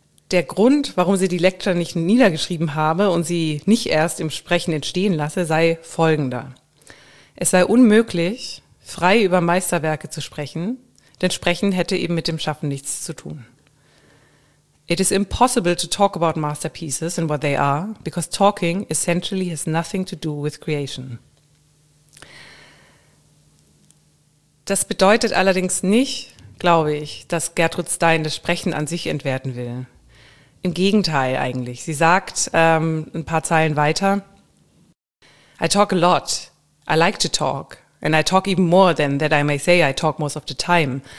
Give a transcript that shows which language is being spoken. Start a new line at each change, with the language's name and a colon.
German: Der Grund, warum sie die Lecture nicht niedergeschrieben habe und sie nicht erst im Sprechen entstehen lasse, sei folgender. Es sei unmöglich, frei über Meisterwerke zu sprechen, denn Sprechen hätte eben mit dem Schaffen nichts zu tun.
English: It is impossible to talk about masterpieces and what they are, because talking essentially has nothing to do with creation.
German: Das bedeutet allerdings nicht, glaube ich, dass Gertrud Stein das Sprechen an sich entwerten will. Im Gegenteil eigentlich. Sie sagt ein paar Zeilen weiter,
English: I talk a lot. I like to talk. And I talk even more than that I may say I talk most of the time.